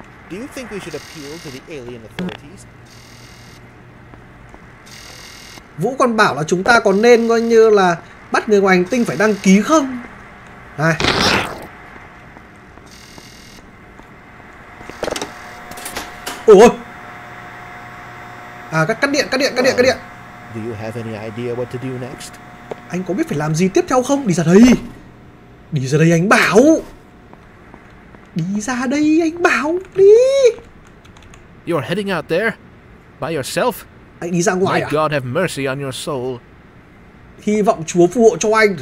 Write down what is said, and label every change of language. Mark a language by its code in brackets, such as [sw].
[en] Do you think we should appeal to the alien authorities? [vi] Vũ còn bảo là chúng ta còn nên coi như là bắt người ngoài hành tinh phải đăng ký không? Này. Ủa? À, cắt điện, cắt điện, cắt điện, cắt điện. [en] Do you have any idea what to do next? [vi] anh có biết phải làm gì tiếp theo không? Đi ra đây. Đi ra đây anh bảo. Đi ra đây anh bảo đi. [en] You're heading out there by yourself? [vi] Anh đi ra ngoài [en] à? God have mercy on your soul. [vi] Hy vọng Chúa phù hộ cho anh.